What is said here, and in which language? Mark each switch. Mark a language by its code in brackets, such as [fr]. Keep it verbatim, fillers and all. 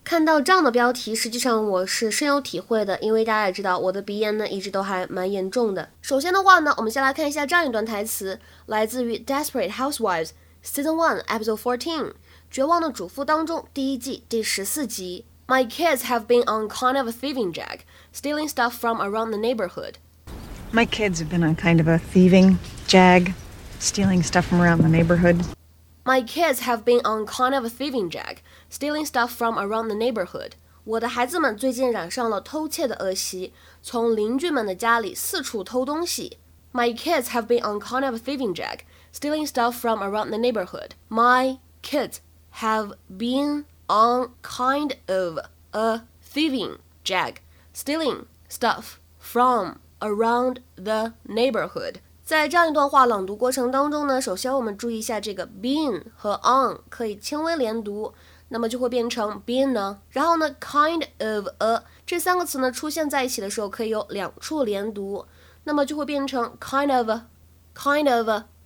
[zh] 看到这样的标题，实际上我是深有体会的，因为大家也知道我的鼻炎呢一直都还蛮严重的。首先的话呢，我们先来看一下这样一段台词，来自于 Desperate Housewives Season one Episode fourteen 绝望的主妇当中第一季第十四集。 [en] My kids have been on kind of a thieving jack, stealing stuff from around the neighborhood. My kids have been on kind of a thieving jag, stealing stuff from around the neighborhood. My kids have been on kind of a thieving jag, stealing stuff from around the neighborhood. [zh] 我的孩子们最近染上了偷窃的恶习，从邻居们的家里四处偷东西。 [en] My kids have been on kind of a thieving jag, stealing stuff from around the neighborhood. My kids have been... on kind of a thieving jag, stealing stuff from around the neighborhood. [zh] 在这样一段话朗读过程当中呢，首先我们注意一下这个 been 和 on 可以轻微连读，那么就会变成 been 呢。然后呢 kind of a 这三个词呢出现在一起的时候可以有两处连读，那么就会变成 kind of a, kind of a.